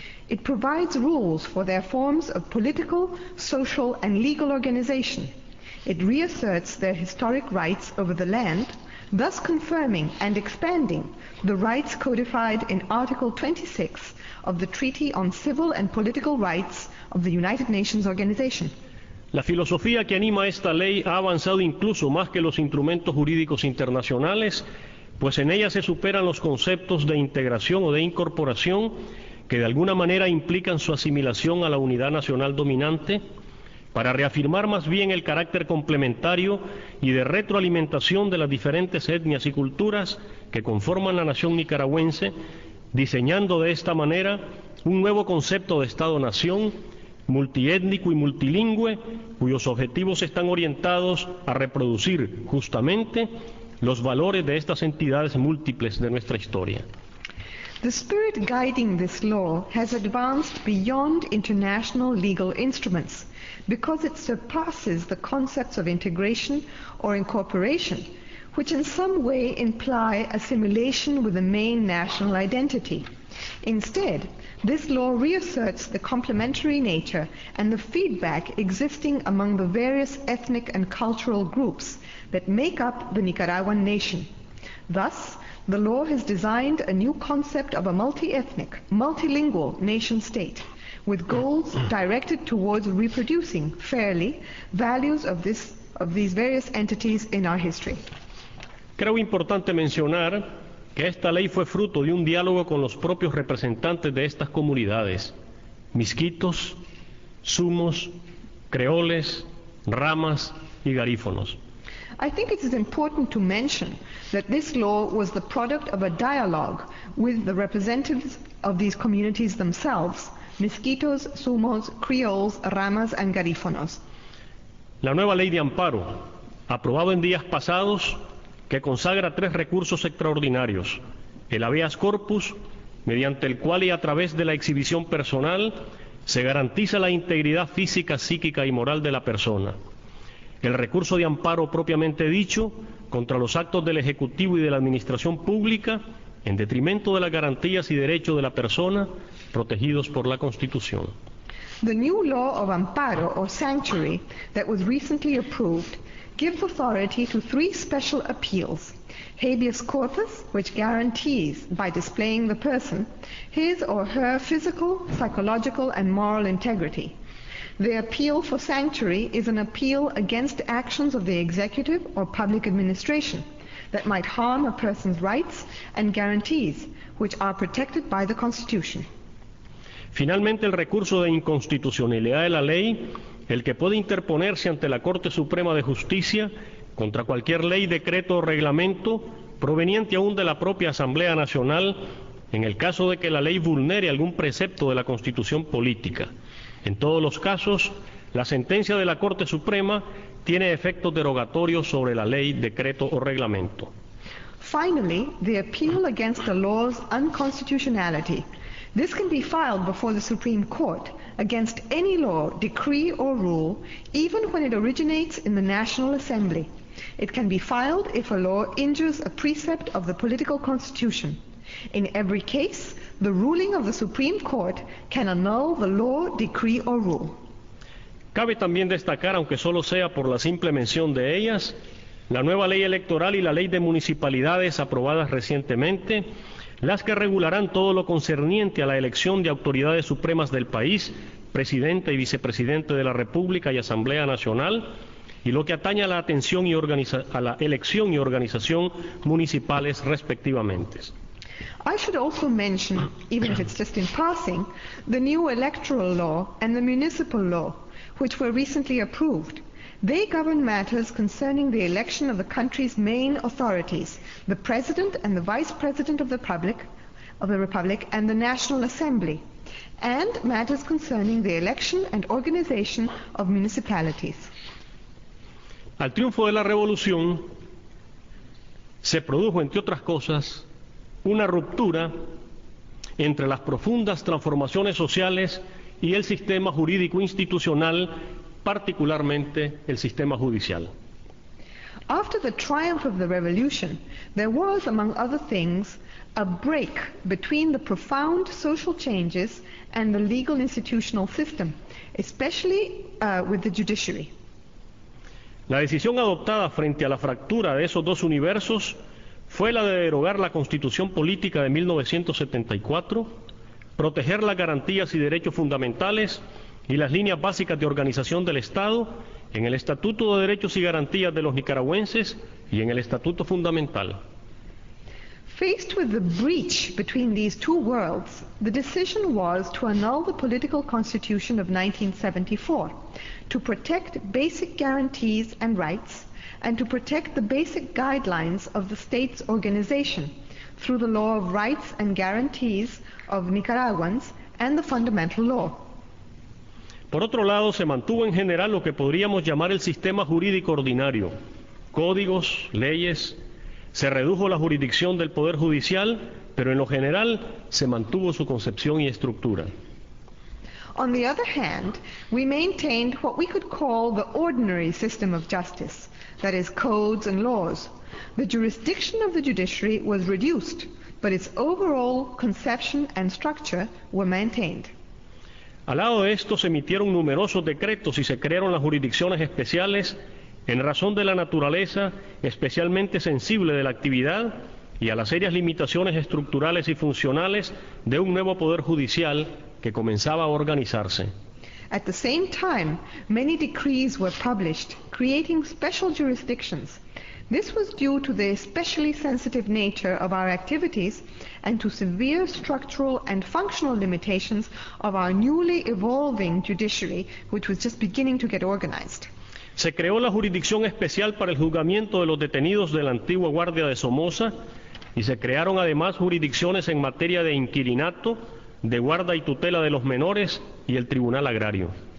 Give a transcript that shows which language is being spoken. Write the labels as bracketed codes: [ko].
[en] It provides rules for their forms of political, social, and legal organization. It reasserts their historic rights over the land, thus confirming and expanding the rights codified in Article 26 of the Treaty on Civil and Political Rights of the United Nations Organization. [es] La filosofía que anima esta ley ha avanzado incluso más que los instrumentos jurídicos internacionales, pues en ella se superan los conceptos de integración o de incorporación que de alguna manera implican su asimilación a la unidad nacional dominante, para reafirmar más bien el carácter complementario y de retroalimentación de las diferentes etnias y culturas que conforman la nación nicaragüense, diseñando de esta manera un nuevo concepto de Estado-Nación, multiétnico y multilingüe, cuyos objetivos están orientados a reproducir justamente los valores de estas entidades múltiples de nuestra historia. [en] The spirit guiding this law has advanced beyond international legal instruments, because it surpasses the concepts of integration or incorporation, which in some way imply assimilation with the main national identity. Instead, this law reasserts the complementary nature and the feedback existing among the various ethnic and cultural groups that make up the Nicaraguan nation. Thus, the law has designed a new concept of a multi-ethnic, multilingual nation-state, with goals directed towards reproducing fairly values of this of these various entities in our history. [es] Creo importante mencionar que esta ley fue fruto de un diálogo con los propios representantes de estas comunidades, misquitos, sumos, creoles, ramas y garífonos. [en] I think it is important to mention that this law was the product of a dialogue with the representatives of these communities themselves, miskitos, sumos, creoles, ramas and garífonos. [es] La nueva ley de amparo, aprobada en días pasados, que consagra tres recursos extraordinarios, el habeas corpus, mediante el cual y a través de la exhibición personal se garantiza la integridad física, psíquica y moral de la persona. El recurso de amparo propiamente dicho contra los actos del Ejecutivo y de la Administración Pública en detrimento de las garantías y derechos de la persona protegidos por la Constitución. [en] The new law of amparo or sanctuary that was recently approved gives authority to three special appeals: habeas corpus, which guarantees by displaying the person his or her physical, psychological and moral integrity. The appeal for sanctuary is an appeal against actions of the executive or public administration that might harm a person's rights and guarantees, which are protected by the Constitution. [es] Finalmente, el recurso de inconstitucionalidad de la ley, el que puede interponerse ante la Corte Suprema de Justicia contra cualquier ley, decreto o reglamento proveniente aún de la propia Asamblea Nacional en el caso de que la ley vulnere algún precepto de la Constitución política. En todos los casos, la sentencia de la Corte Suprema tiene efectos derogatorios sobre la ley, decreto o reglamento. [en] Finally, the appeal against the law's unconstitutionality. This can be filed before the Supreme Court against any law, decree or rule, even when it originates in the National Assembly. It can be filed if a law injures a precept of the political constitution. In every case, the ruling of the Supreme Court can annul the law, decree or rule. [es] Cabe también destacar, aunque solo sea por la simple mención de ellas, la nueva ley electoral y la ley de municipalidades aprobadas recientemente, las que regularán todo lo concerniente a la elección de autoridades supremas del país, presidente y vicepresidente de la República y Asamblea Nacional, y lo que atañe a la atención y a la elección y organización municipales respectivamente. [en] I should also mention, even if it's just in passing, the new electoral law and the municipal law, which were recently approved. They govern matters concerning the election of the country's main authorities, the President and the Vice President of the Republic and the National Assembly, and matters concerning the election and organization of municipalities. [es] Al triunfo de la revolución se produjo, entre otras cosas, una ruptura entre las profundas transformaciones sociales y el sistema jurídico institucional, particularmente el sistema judicial. [en] After the triumph of the revolution, there was, among other things, a break between the profound social changes and the legal institutional system, especially with the judiciary. [es] La decisión adoptada frente a la fractura de esos dos universos fue la de derogar la Constitución Política de 1974, proteger las garantías y derechos fundamentales y las líneas básicas de organización del Estado en el Estatuto de Derechos y Garantías de los Nicaragüenses y en el Estatuto Fundamental. [en] Faced with the breach between these two worlds, the decision was to annul the political constitution of 1974, to protect basic guarantees and rights, and to protect the basic guidelines of the state's organization through the law of rights and guarantees of Nicaraguans and the fundamental law. [es] Por otro lado, se mantuvo en general lo que podríamos llamar el sistema jurídico ordinario, códigos, leyes. Se redujo la jurisdicción del poder judicial, pero en lo general se mantuvo su concepción y estructura. [en] On the other hand, we maintained what we could call the ordinary system of justice. That is, codes and laws. The jurisdiction of the judiciary was reduced, but its overall conception and structure were maintained. [es] Al lado de esto, se emitieron numerosos decretos y se crearon las jurisdicciones especiales en razón de la naturaleza especialmente sensible de la actividad y a las serias limitaciones estructurales y funcionales de un nuevo poder judicial que comenzaba a organizarse. [en] At the same time, many decrees were published, creating special jurisdictions. This was due to the especially sensitive nature of our activities and to severe structural and functional limitations of our newly evolving judiciary, which was just beginning to get organized. [es] Se creó la jurisdicción especial para el juzgamiento de los detenidos de la antigua Guardia de Somoza y se crearon además jurisdicciones en materia de inquilinato, de guarda y tutela de los menores y el Tribunal Agrario.